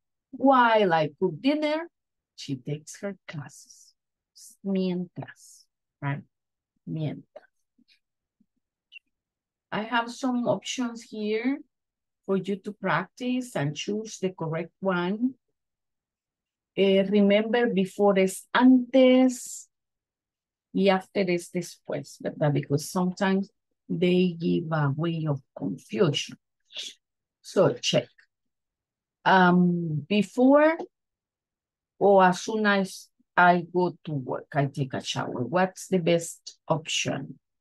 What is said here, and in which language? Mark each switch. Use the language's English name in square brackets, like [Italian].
[English] While I cook dinner, she takes her classes. [Spanish] Mientras, right? Mientras. [English] I have some options here for you to practice and choose the correct one. [Spanish] Remember, before es antes y after es después, ¿verdad? [English] Because sometimes they give a way of confusion. So check. Before or as soon as I go to work, I take a shower. What's the best option?